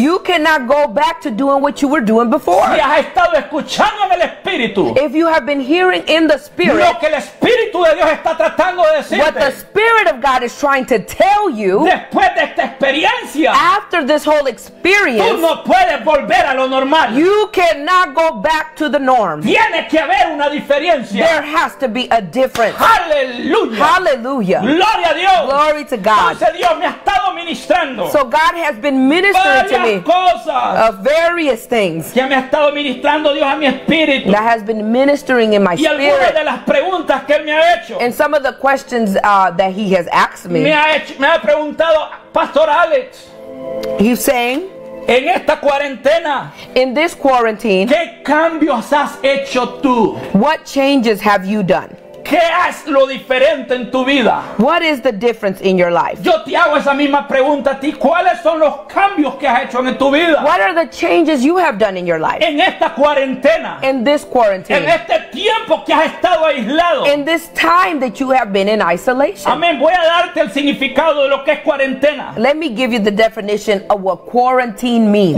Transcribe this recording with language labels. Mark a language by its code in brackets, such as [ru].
[en] You cannot go back to doing what you were doing before. [es] Si has estado escuchando en el Espíritu. [en] If you have been hearing in the Spirit. [es] Lo que el Espíritu de Dios está tratando de decirte. [en] What the Spirit of God is trying to tell you. [es] Después de esta experiencia. [en] After this whole experience. [es] Tú no puedes volver a lo normal. [en] You cannot go back to the norm. [es] Tiene que haber una diferencia. [en] There has to be a difference. Hallelujah. Hallelujah. [es] Gloria a Dios. [en] Glory to God. [es] Entonces Dios me ha estado ministrando. [en] So God has been ministering to me. [es] Varias cosas. [en] Of various things. [es] Que me ha estado ministrando Dios a mi espíritu. [en] That has been ministering in my spirit. [es] Y algunas de las preguntas que él me ha hecho. [en] And some of the questions that he has asked me. [es] Me ha preguntado Pastor Alex. [en] He's saying. [es] En esta cuarentena. [en] In this quarantine. [es] ¿Qué cambios has hecho tú? [en] What changes have you done? [es] ¿Qué es lo diferente en tu vida? [en] What is the difference in your life? [es] Yo te hago esa misma pregunta a ti. ¿Cuáles son los cambios que has hecho en tu vida? [en] What are the changes you have done in your life? [es] En esta cuarentena. [en] In this quarantine. [es] En este tiempo que has estado aislado. [en] In this time that you have been in isolation. [es] Amén. Voy a darte el significado de lo que es cuarentena. [en] Let me give you the definition of what quarantine means.